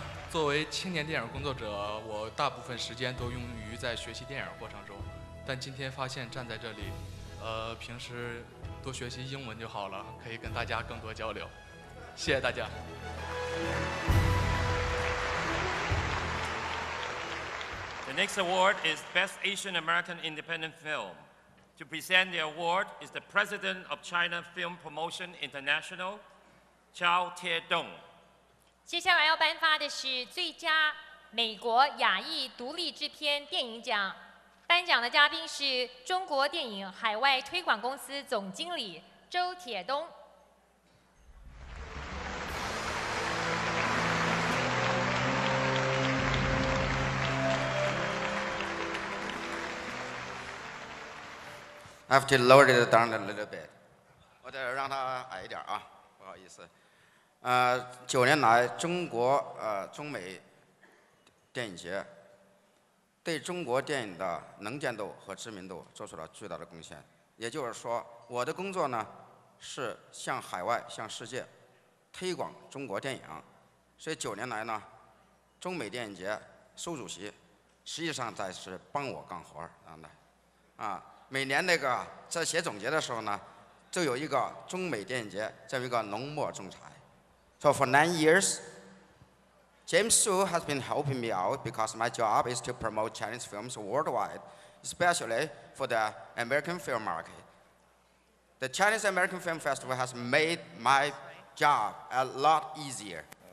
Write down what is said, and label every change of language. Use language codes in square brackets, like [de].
[zh] 作为青年电影工作者，我大部分时间都用于在学习电影过程中，但今天发现站在这里，平时多学习英文就好了，可以跟大家更多交流，谢谢大家。 [en] The next award is Best Asian American Independent Film. To present the award is the President of China Film Promotion International, Chao Tiedong. [zh] 接下来要颁发的是最佳美国亚裔独立制片电影奖，颁奖的嘉宾是中国电影海外推广公司总经理周铁东。 [en] I have to lower it down a little bit. [zh] 我得让它矮一点啊，不好意思。九年来中国中美电影节对中国电影的能见度和知名度做出了巨大的贡献，也就是说我的工作呢是向海外向世界推广中国电影，所以九年来呢中美电影节苏主席实际上在是帮我干活的每年那个在写总结的时候呢就有一个中美电影节这么一个浓墨重彩。 [en] So for 9 years, James Su has been helping me out because my job is to promote Chinese films worldwide, especially for the American film market. The Chinese American Film Festival has made my job a lot easier.